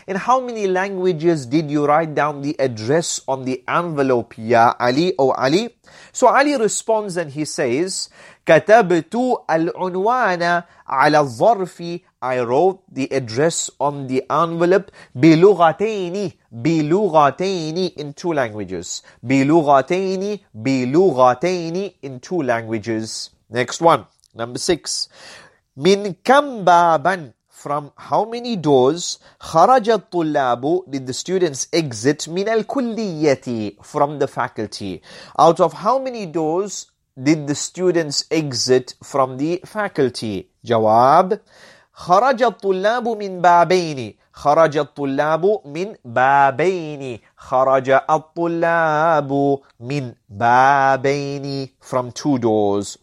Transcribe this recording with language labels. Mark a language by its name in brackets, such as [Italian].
[English] In how many languages did you write down the address on the envelope, [Arabic] يا علي, [English] oh Ali? So Ali responds and he says, [Arabic] كتبت العنوان على الظرف. [English] I wrote the address on the envelope بلغتين. بلغتين in two languages. بلغتين. بلغتين in two languages. Next one, number six. [Arabic] من كم بابا, [English] from how many doors, [Arabic] خرج الطلاب, [English] did the students exit [Arabic] من الكلية, [English] from the faculty. Out of how many doors did the students exit from the faculty? [Arabic] جواب خرج الطلاب من بابين. خرج الطلاب من بابين. خرج الطلاب من بابين, [English] from two doors.